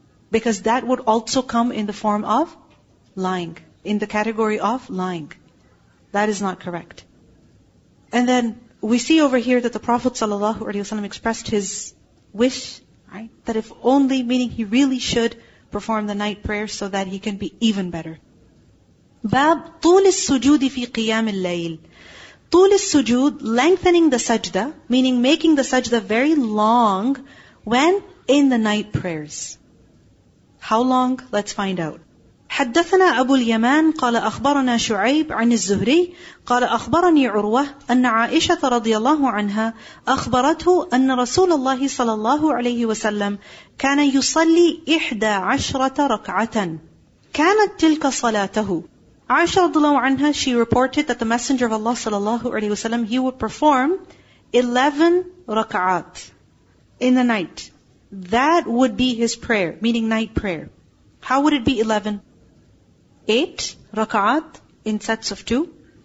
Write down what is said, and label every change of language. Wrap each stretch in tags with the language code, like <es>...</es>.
<en>Because that would also come in the form of lying, in the category of lying. That is not correct. And then we see over here that the Prophet ﷺ expressed his wish, right? That if only, meaning he really should perform the night prayer so that he can be even better.</en> <ar>Bab طول السجود في قيام الليل.</ar> <en>طول السجود, lengthening the sajda, meaning making the sajda very long, when in the night prayers. How long? Let's find out.</en> <ar>حدثنا أبو اليمان قال أخبرنا شعيب عن الزهري قال أخبرني عروة أن عائشة رضي الله عنها أخبرته أن رسول الله صلى الله عليه وسلم كان يصلي 11 ركعة. كانت تلك صلاته.</ar> <en>Aisha radhiyallahu anha, she reported that the Messenger of Allah sallallahu alaihi wasallam, he would perform 11 rak'at in the night. That would be his prayer, meaning night prayer. How would it be 11? 8 rak'at in sets of 2.</en>